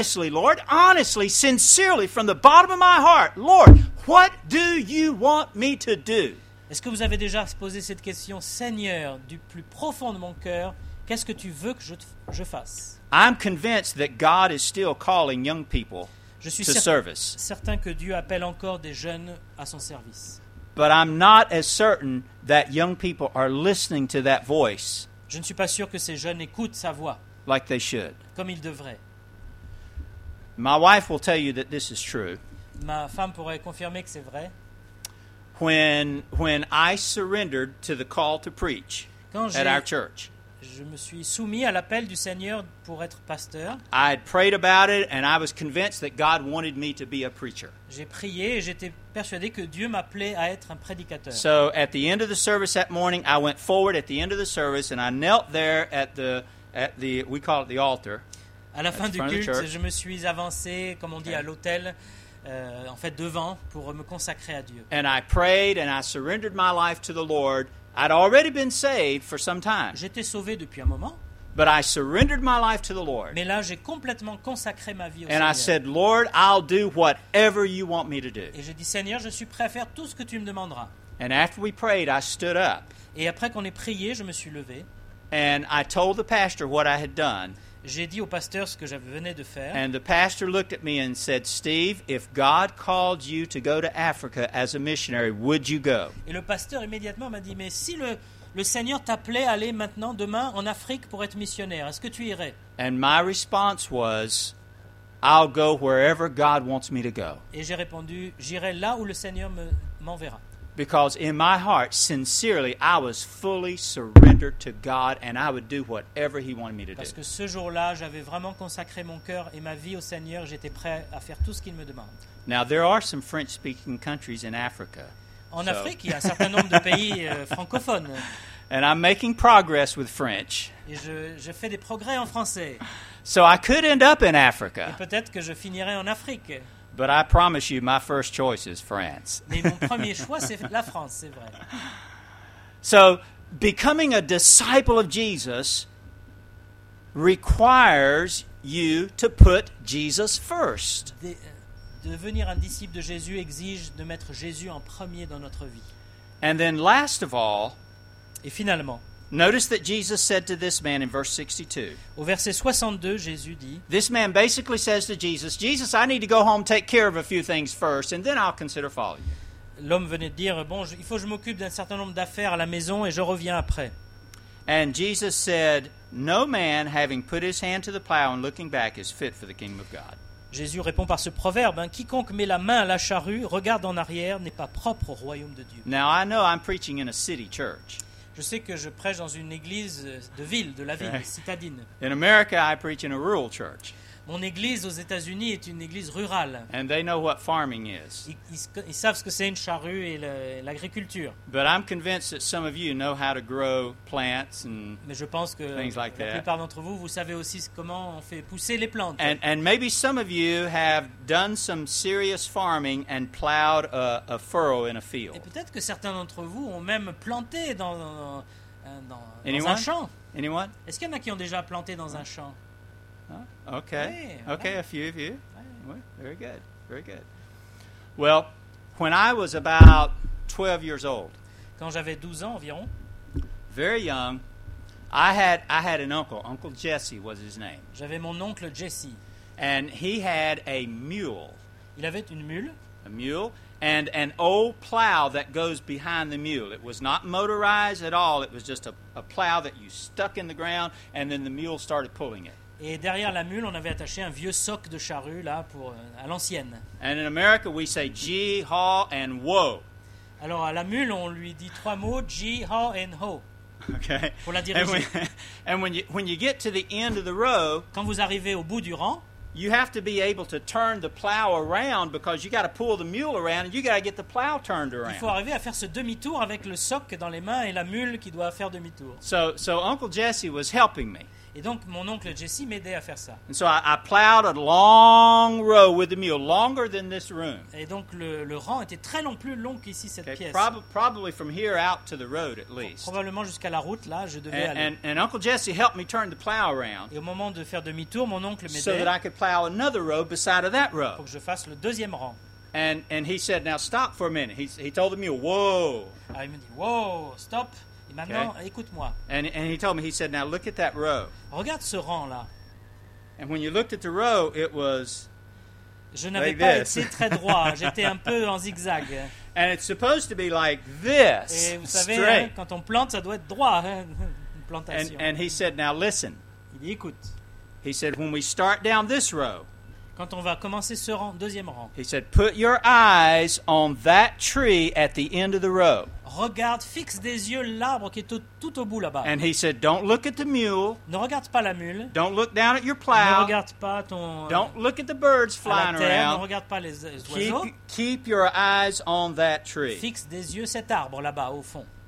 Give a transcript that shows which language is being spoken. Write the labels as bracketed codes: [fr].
[en] Lord, honestly, sincerely, from the bottom of my heart, Lord, what do you want me to do? [fr] Est-ce que vous avez déjà posé cette question, Seigneur, du plus profond de mon cœur, qu'est-ce que tu veux que je fasse? [en] I'm convinced that God is still calling young people. [fr] Je suis certain que Dieu appelle encore des jeunes à son service. [en] But I'm not as certain that young people are listening to that voice. [fr] Je ne suis pas sûr que ces jeunes écoutent sa voix. [en] Like they should. [fr] Comme ils devraient. [en] My wife will tell you that this is true. [fr] Ma femme pourrait confirmer que c'est vrai. [en] When I surrendered to the call to preach at our church. [fr] Je me suis soumis à l'appel du Seigneur pour être pasteur. [en] I had prayed about it and I was convinced that God wanted me to be a preacher. [fr] J'ai prié et j'étais persuadé que Dieu m'appelait à être un prédicateur. [en] So at the end of the service that morning, I went forward at the end of the service and I knelt there at the we call it the altar. [fr] À la fin du culte, je me suis avancé, comme on dit, à l'autel, en fait devant, pour me consacrer à Dieu. [en] And I prayed and I surrendered my life to the Lord. I'd already been saved for some time. [fr] J'étais sauvé depuis un moment. [en] But I surrendered my life to the Lord. [fr] Mais là, j'ai complètement consacré ma vie au [en] and [fr] Seigneur. [en] I said, Lord, I'll do whatever you want me to do. [fr] Et j'ai dit, Seigneur, je suis prêt à faire tout ce que tu me demanderas. [en] And after we prayed, I stood up. [fr] Et après qu'on ait prié, je me suis levé. [en] And I told the pastor what I had done. [fr] J'ai dit au pasteur ce que je venais de faire. [en] And the pastor looked at me and said, Steve, if God called you to go to Africa as a missionary, would you go? [fr] Et le pasteur immédiatement m'a dit, mais si le Seigneur t'appelait à aller maintenant, demain, en Afrique pour être missionnaire, est-ce que tu irais? [en] And my response was, I'll go wherever God wants me to go. [fr] Et j'ai répondu, j'irai là où le Seigneur m'enverra. [en] Because in my heart, sincerely, I was fully surrendered to God, and I would do whatever He wanted me to do. [fr] Parce que ce jour-là, j'avais vraiment consacré mon cœur et ma vie au Seigneur. J'étais prêt à faire tout ce qu'il me demande. [en] Now there are some French-speaking countries in Africa. [fr] En Afrique, il y a un certain nombre de pays francophones. [en] And I'm making progress with French. [fr] Et je fais des progrès en français. [en] So I could end up in Africa. [fr] Et peut-être que je finirai en Afrique. [en] But I promise you, my first choice is France. [fr] Mais mon premier choix, c'est la France, c'est vrai. [en] So, becoming a disciple of Jesus requires you to put Jesus first. [fr] Devenir un disciple de Jésus exige de mettre Jésus en premier dans notre vie. [en] And then last of all, [fr] et finalement, [en] notice that Jesus said to this man in verse 62. [fr] Au verset 62, Jésus dit, [en] this man basically says to Jesus, Jesus, I need to go home, take care of a few things first, and then I'll consider following you. [fr] L'homme venait de dire, bon, il faut que je m'occupe d'un certain nombre d'affaires à la maison et je reviens après. [en] And Jesus said, no man having put his hand to the plow and looking back is fit for the kingdom of God. [fr] Jésus répond par ce proverbe, hein, quiconque met la main à la charrue, regarde en arrière, n'est pas propre au royaume de Dieu. [en] Now I know I'm preaching in a city church. [fr] Je sais que je prêche dans une église de ville, de la ville, okay, citadine. [en] In America, I preach in a rural church. [fr] Mon église aux États-Unis est une église rurale. [en] And they know what farming is. [fr] Ils savent ce que c'est une charrue et l'agriculture. [en] But I'm convinced that some of you know how to grow plants and [fr] mais je pense que [en] things like [fr] la [en] that. [fr] Plupart d'entre vous savez aussi comment on fait pousser les plantes. [en] And maybe some of you have done some serious farming and plowed a furrow in a field. [fr] Et peut-être que certains d'entre vous ont même planté dans un champ. [en] Anyone? [fr] Est-ce qu'il y en a qui ont déjà planté dans un champ? [en] Okay. Hey, okay, hey. A few of you. Hey. Very good. Very good. Well, when I was about 12 years old, [fr] quand j'avais 12 ans environ, [en] very young, I had an uncle. Uncle Jesse was his name. [fr] J'avais mon oncle Jesse. [en] And he had a mule. [fr] Il avait une mule. [en] A mule and an old plow that goes behind the mule. It was not motorized at all. It was just a plow that you stuck in the ground and then the mule started pulling it. [fr] Et derrière la mule, on avait attaché un vieux soc de charrue là pour à l'ancienne. [en] And in America, we say gee, haw, and whoa. [fr] Alors à la mule, on lui dit trois mots: gee, haw, and ho. Okay. Pour la diriger. [en] And when you get to the end of the row, [fr] quand vous arrivez au bout du rang, [en] you have to be able to turn the plow around because you got to pull the mule around and you got to get the plow turned around. [fr] Il faut arriver à faire ce demi-tour avec le soc dans les mains et la mule qui doit faire demi-tour. [en] So Uncle Jesse was helping me. [fr] Et donc mon oncle Jesse m'aidait à faire ça. [en] And so I plowed a long row with the mule, longer than this room. [fr] Et donc le rang était très long, plus long qu'ici cette okay, pièce. [en] Probably from here out to the road at least. [fr] Probablement jusqu'à la route là, je devais aller. [en] And Uncle Jesse helped me turn the plow around. [fr] Et au moment de faire demi-tour, mon oncle m'aidait. [en] So that I could plow another row beside of that row. [fr] Pour que je fasse le deuxième rang. [en] And he said, now stop for a minute. He told the mule, whoa. [fr] Il me dit, whoa, stop. Et maintenant, okay, écoute-moi. [en] And he told me, he said, now look at that row. [fr] Regarde ce rang-là. [en] And when you looked at the row, it was [fr] je n'avais [en] like [fr] pas [en] this. [fr] Été très droit. J'étais un peu en zigzag. [en] And it's supposed to be like this. [fr] Et vous savez, [en] straight. [fr] Hein, quand on plante, ça doit être droit. Une plantation. [en] And he said, now listen. [fr] Il dit, écoute. [en] He said, when we start down this row, [fr] quand on va commencer ce rang, deuxième rang, [en] he said, put your eyes on that tree at the end of the row. [fr] Regarde, fixe des yeux l'arbre qui est tout au bout là-bas. [en] And he said, don't look at the mule. [fr] Ne regarde pas la mule. [en] Don't look down at your plow. [fr] Ne regarde pas ton. [en] Don't look at the birds flying [fr] à la terre, [en] around. [fr] Ne regarde pas les oiseaux. [en] Keep your eyes on that tree. [fr] Fixe des yeux cet arbre là-bas au fond.